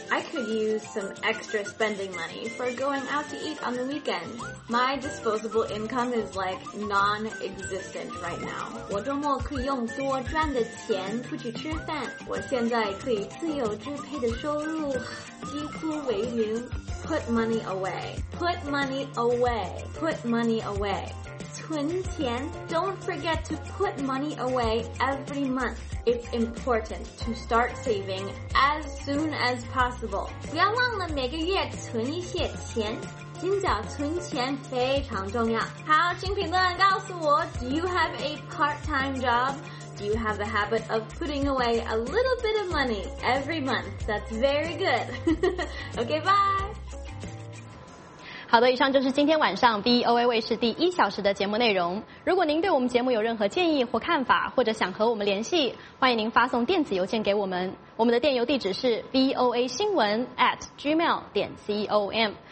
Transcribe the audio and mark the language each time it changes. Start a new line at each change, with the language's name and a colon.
English: I could use some extra spending money for going out to eat on the weekends. My disposable income is like non-existent right now.
Chinese: 我周末可以用多赚的钱出去吃饭。我现在可以自由支配的收入几乎为零。
English: Put money away
Chinese: 存钱。
English: Don't forget to put money away every month. It's important to start saving as soon as possible.
Chinese: 不要忘了每个月存一些钱，尽早存钱非常重要。好，请评论告诉我，
English: Do you have a part-time job? Do you have the habit of putting away a little bit of money every month? That's very good. Okay, bye.
Chinese: 好的，以上就是今天晚上 VOA 卫视第一小时的节目内容。如果您对我们节目有任何建议或看法，或者想和我们联系，欢迎您发送电子邮件给我们。我们的电邮地址是 voasinwen@gmail.com。